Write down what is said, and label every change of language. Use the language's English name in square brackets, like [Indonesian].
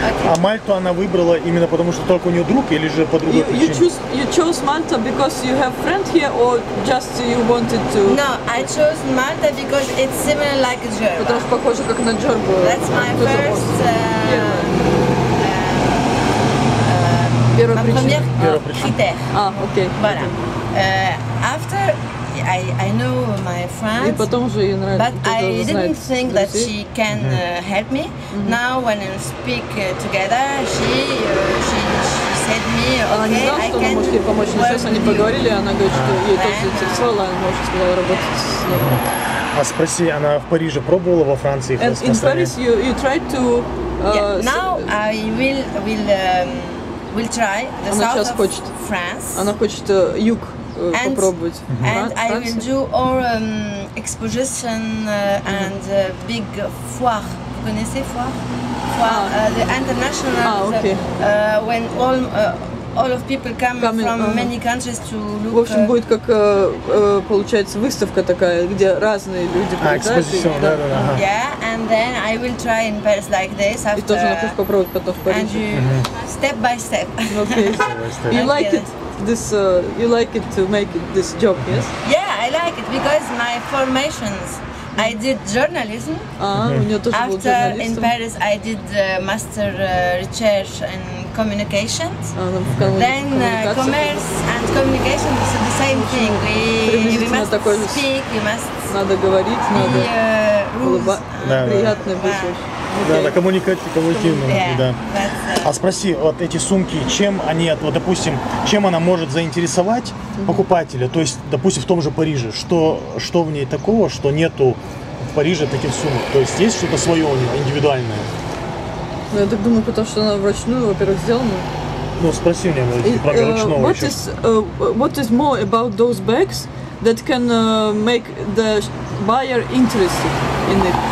[Russian] А Мальту она выбрала именно потому, что только у нее друг, или же по другой причине? [English] You chose Malta because you have friend here, or just you wanted to? No, I chose Malta because it's similar like Djerba. [Russian] Потому что похоже как на Джербу. [English] That's my first. [Russian] Первая причина. [English] Okay. Voilà. After I know my friend, [Russian] и потом уже ей нравится, [English] but I didn't think that she can help me. Now when I speak together, she said me, okay, [Russian] она не знала, что она может ей помочь, но сейчас они поговорили, она говорит, что ей тоже заинтересовала, она может сказала работать с ней. А спроси, она в Париже пробовала, во Франции их остановили? [English] In Paris you tried to... Now I will try the [Russian] она [English] south of [Russian] хочет, [English] France. [Russian] Она хочет юг. [English] And [Russian] попробовать. [English] And I will do our exposition and big foire. [French] Vous connaissez foire? [English] Foire, the international. When all of people come from many countries to look. [Russian] В общем, будет как получается выставка такая, где разные люди приезжают. [English] Yeah, and then I will try in Paris like this. [Russian] И тоже хочешь попробовать потом в Париже. [English] And you step by step. Okay. You like it? This you like it to make it, this job, yes? Yeah, I like it because my formations. I did journalism. After in Paris, I did master research in communications. Then commerce and communication is the same thing. We must speak. We must. [Russian] Надо говорить. Надо. Приятно быть. Okay. Да, коммуникативно, да. А спроси, вот эти сумки, чем они, вот, допустим, чем она может заинтересовать покупателя? То есть, допустим, в том же Париже, что в ней такого, что нету в Париже таких сумок? То есть что-то свое у нее, индивидуальное? Ну, я так думаю, потому что она вручную, во-первых, сделана. Ну, спроси меня, про вручную. [English] What is more about those bags that can make the buyer interested in it?